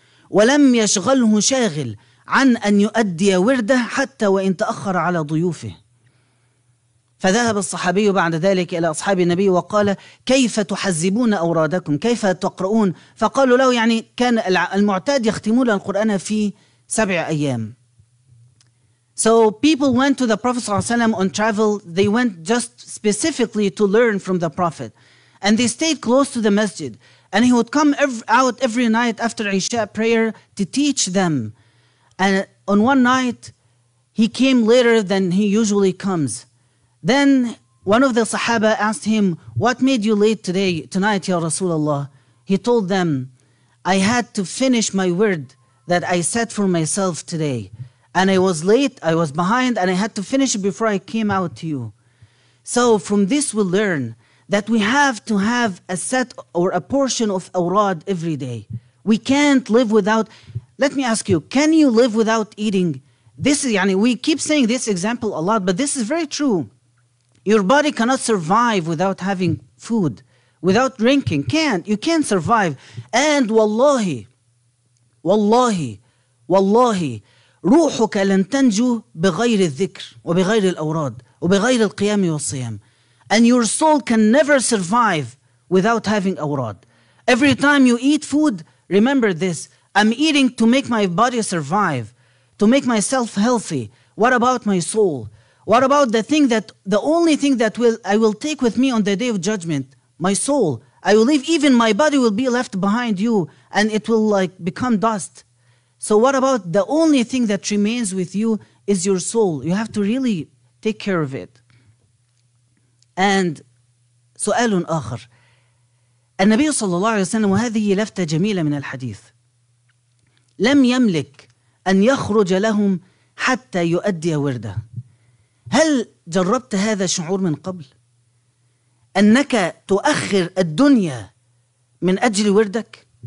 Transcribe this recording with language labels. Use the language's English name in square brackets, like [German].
[Arabic] ولم يشغله شاغل عن أن يؤدي ورده حتى وإن تأخر على ضيوفه فذهب الصحابي بعد ذلك إلى أصحاب النبي وقال كيف تحزبون أورادكم كيف تقرؤون فقالوا له يعني كان المعتاد يختمون القرآن في سبع أيام. [English] So people went to the Prophet [Arabic] صلى الله عليه وسلم [English] on travel. They went just specifically to learn from the Prophet. And they stayed close to the masjid. And he would come out every night after Isha prayer to teach them. And on one night, he came later than he usually comes. Then one of the Sahaba asked him, what made you late today, tonight, Ya Rasulullah? He told them, I had to finish my word that I set for myself today. And I was late, I was behind, and I had to finish it before I came out to you. So from this we learn that we have to have a set or a portion of awrad every day. We can't live without... Let me ask you, can you live without eating? This is, yani, we keep saying this example a lot, but this is very true. Your body cannot survive without having food, without drinking. Can't. You can't survive. And [Arabic] wallahi, wallahi, wallahi, روحك لن تنجو بغير الذكر وبغير الأوراد وبغير القيام والصيام. [English] And your soul can never survive without having awrad. Every time you eat food, remember this. I'm eating to make my body survive, to make myself healthy. What about my soul? What about the thing that the only thing that I will take with me on the day of judgment? My soul. I will leave, even my body will be left behind you and it will like become dust. So what about the only thing that remains with you is your soul? You have to really take care of it. And [Arabic] سؤال آخر. النبي صلى الله عليه وسلم وهذه لفتة جميلة من الحديث. لم يملك أن يخرج لهم حتى يؤدي ورده. هل جربت هذا الشعور من قبل؟ أنك تؤخر الدنيا من أجل وردك؟